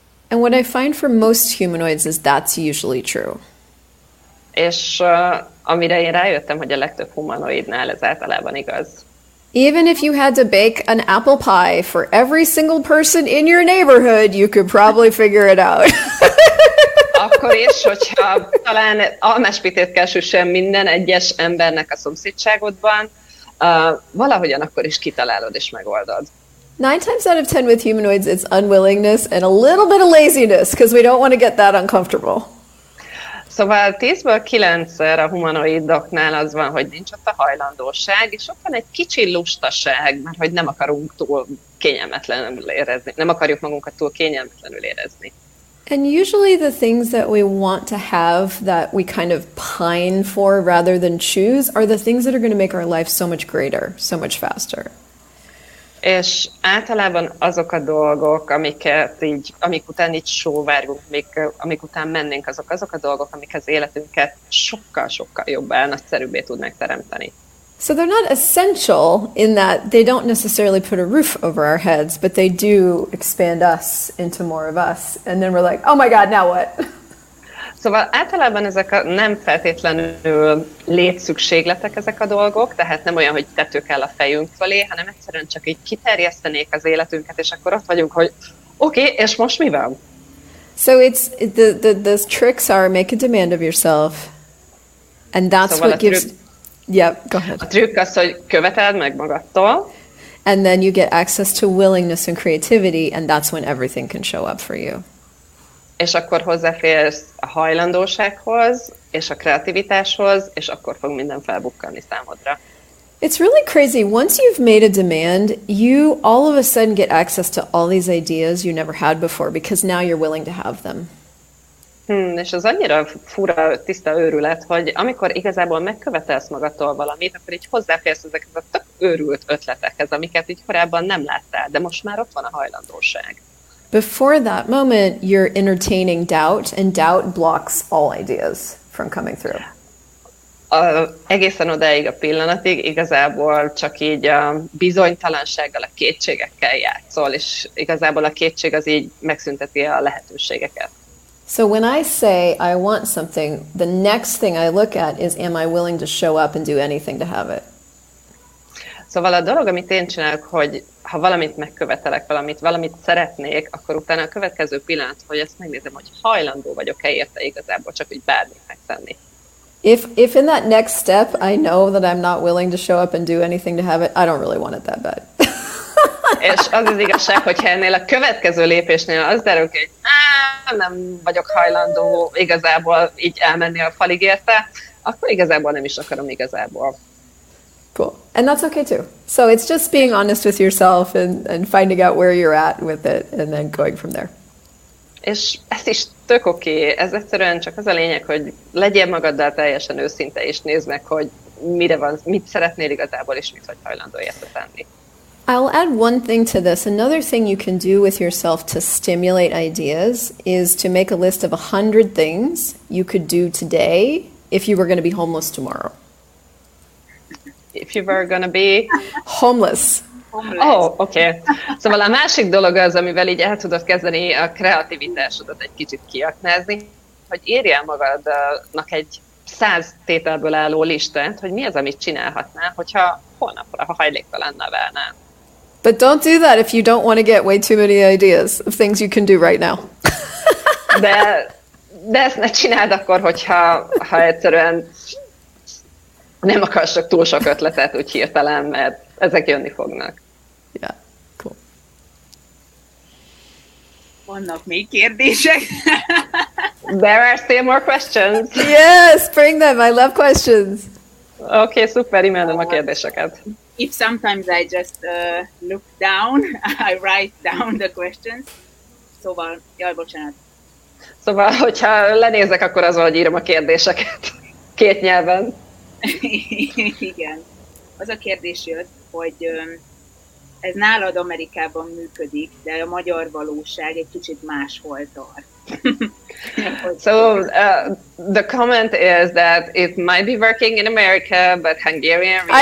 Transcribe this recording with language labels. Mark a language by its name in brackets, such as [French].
[English] And what I find for most humanoids is that's usually true. [Hungarian] És amire én rájöttem, hogy a legtöbb humanoidnál ez általában igaz. [English] Even if you had to bake an apple pie for every single person in your neighborhood, you could probably figure it out. [Hungarian] Akkor is, hogyha talán almáspitét kell süssen minden egyes embernek a szomszédságodban, valahogyan akkor is kitalálod és megoldod. [English] 9 times out of 10 with humanoids, it's unwillingness and a little bit of laziness, because we don't want to get that uncomfortable. [Hungarian] Szóval 10-ből 9-szer a humanoidoknál az van, hogy nincs ott a hajlandóság, és ott van egy kicsi lustaság, mert hogy nem akarunk túl kényelmetlenül érezni, nem akarjuk magunkat túl kényelmetlenül érezni. [English] And usually the things that we want to have that we kind of pine for rather than choose are the things that are going to make our life so much greater, so much faster. [Hungarian] És általában azok a dolgok, amiket így, amik után így sóvárgunk, amik után mennénk, azok a dolgok, amik az életünket sokkal-sokkal jobbá, nagyszerűbbé tudnak teremteni. [English] So they're not essential in that they don't necessarily put a roof over our heads, but they do expand us into more of us. And then we're like, oh my God, now what? [Hungarian] Szóval általában ezek a nem feltétlenül létszükségletek ezek a dolgok, tehát nem olyan, hogy tető kell a fejünk fölé, hanem egyszerűen csak így kiterjesztenék az életünket, és akkor ott vagyunk, hogy oké, és most mi van? [English] So it's the tricks are make a demand of yourself, and that's [Hungarian] szóval [English] what gives... Yep, go ahead. [Hungarian] A trükk az, hogy követeld meg magadtól. [English] And then you get access to willingness and creativity, and that's when everything can show up for you. [Hungarian] És akkor hozzáférsz a hajlandósághoz, és a kreativitáshoz, és akkor fog minden felbukkanni számodra. [English] It's really crazy. Once you've made a demand, you all of a sudden get access to all these ideas you never had before, because now you're willing to have them. [Hungarian] És az annyira fura, tiszta őrület, hogy amikor igazából megkövetelsz magadtól valamit, akkor így hozzáférsz ezekhez a tök őrült ötletekhez, amiket így korábban nem láttál, de most már ott van a hajlandóság. [English] Before that moment, you're entertaining doubt, and doubt blocks all ideas from coming through. [Hungarian] Egészen odáig a pillanatig igazából csak így a bizonytalansággal, a kétségekkel játszol, és igazából a kétség az így megszünteti a lehetőségeket. [English] So when I say I want something, the next thing I look at is, am I willing to show up and do anything to have it? [Hungarian] Szóval a dolog, amit én csinálok, hogy ha valamit megkövetelek, valamit szeretnék, akkor utána a következő pillanat, hogy ezt megnézem, hogy hajlandó vagyok-e érte igazából, csak úgy bármit megtenni. [English] If in that next step I know that I'm not willing to show up and do anything to have it, I don't really want it that bad. [Hungarian] És az az igazság, hogyha ennél a következő lépésnél az derül ki, hogy nem vagyok hajlandó igazából így elmenni a falig érte, akkor igazából nem is akarom igazából. [English] Cool. And that's okay too. So it's just being honest with yourself and finding out where you're at with it and then going from there. [Hungarian] És ez is tök oké. Ez egyszerűen csak az a lényeg, hogy legyél magaddal teljesen őszinte és nézd meg, hogy mire van, mit szeretnél igazából és mit vagy hajlandó érte tenni. [English] I'll add one thing to this. Another thing you can do with yourself to stimulate ideas is to make a list of 100 things you could do today if you were going to be homeless tomorrow. If you were going to be homeless. Oh, okay. [Hungarian] Szóval a másik dolog az, amivel így el tudod kezdeni a kreativitásodat egy kicsit kiaknázni, hogy írjál magadnak egy 100 tételből álló listát, hogy mi az, amit csinálhatnál, hogyha holnapra hajléktalan nevelnél. [English] But don't do that if you don't want to get way too many ideas of things you can do right now. [Hungarian] De ezt ne csináld akkor, hogyha egyszerűen nem akarsz csak túl sok ötletet úgy hirtelen, mert ezek jönni fognak. [English] Yeah, cool. [Hungarian] Vannak még kérdések? [English] There are still more questions. Yes, bring them. I love questions. Okay, super. [Hungarian] Imádom a kérdéseket. [English] If sometimes I just look down, I write down the questions. [Hungarian] szóval, jaj, bocsánat. Szóval, hogyha lenézek, akkor az van, hogy írom a kérdéseket két nyelven. Igen. Az a kérdés jött, hogy ez nálad Amerikában működik, de a magyar valóság egy kicsit máshol tart. [English] So, the comment is that it might be working in America, but Hungarian reality...